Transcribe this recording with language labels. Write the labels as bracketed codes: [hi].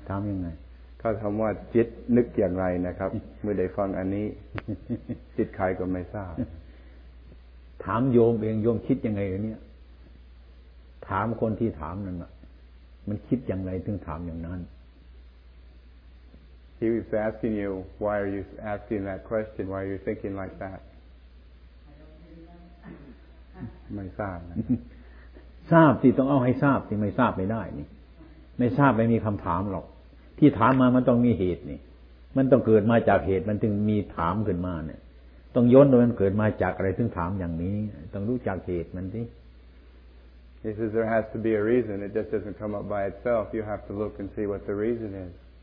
[th] ถามยังไง เขาถามว่าจิตนึกอย่างไรนะครับเมื่อได้ฟังอันนี้จิตใครก็ไม่ทราบ ถามโยมเองโยมคิดยังไงเนี่ยถามคนที่ถามนั่นน่ะมันคิดอย่างไรถึงถามอย่างนั้น [en] He was asking you, why are you asking that question? Why are you thinking like that [th] ไม่ทราบ ทราบสิต้องเอาให้ทราบสิไม่ทราบไม่ได้นี่ไม่ทราบไม่มีคำถามหรอกที่ถามมามันต้องมีเหตุนี่มันต้องเกิดมาจากเหตุมันถึงมีถามขึ้นมาเนี่ยต้องย้อนดูมันเกิดมาจากอะไรถึงถามอย่างนี้ต้องรู้จักเหตุมันสิ [en] He says there has to be a reason. It just doesn't come up by itself. You have to look and see what the reason is.